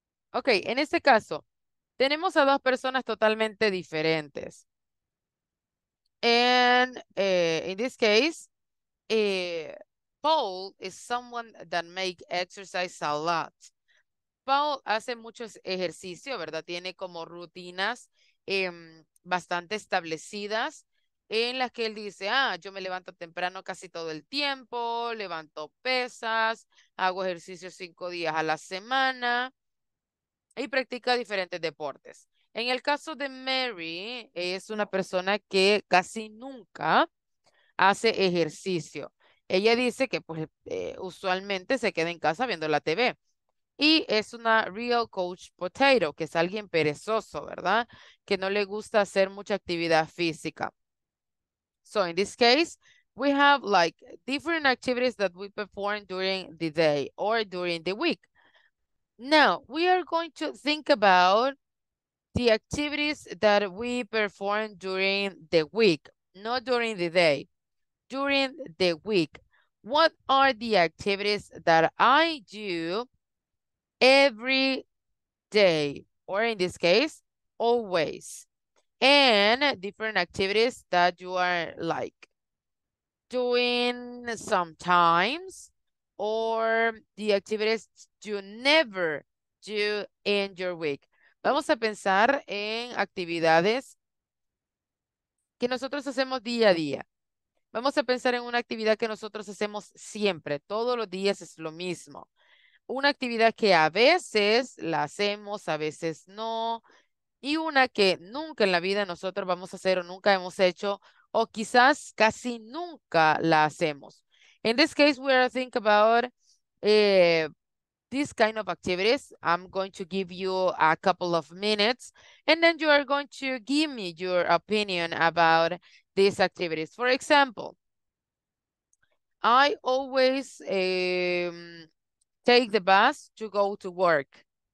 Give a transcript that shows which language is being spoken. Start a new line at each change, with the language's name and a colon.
Spanish: Okay, en este caso, tenemos a dos personas totalmente diferentes.
English: And in this case, Paul is someone that makes exercise a lot.
Spanish: Paul hace mucho ejercicio, ¿verdad? Tiene como rutinas bastante establecidas en las que él dice, ah, yo me levanto temprano casi todo el tiempo, levanto pesas, hago ejercicio 5 días a la semana. Y practica diferentes deportes. En el caso de Mary, es una persona que casi nunca hace ejercicio. Ella dice que pues, usualmente se queda en casa viendo la TV. Y es una real couch potato, que es alguien perezoso, ¿verdad? Que no le gusta hacer mucha actividad física.
English: So in this case, we have like different activities that we perform during the day or during the week. Now, we are going to think about the activities that we perform during the week, not during the day, during the week. What are the activities that I do every day, or in this case, always? And different activities that you are like doing sometimes, or the activities you never do in your week.
Spanish: Vamos a pensar en actividades que nosotros hacemos día a día. Vamos a pensar en una actividad que nosotros hacemos siempre. Todos los días es lo mismo. Una actividad que a veces la hacemos, a veces no. Y una que nunca en la vida nosotros vamos a hacer o nunca hemos hecho o quizás casi nunca la hacemos.
English: In this case, we are thinking about this kind of activities. I'm going to give you a couple of minutes, and then you are going to give me your opinion about these activities. For example, I always take the bus to go to work.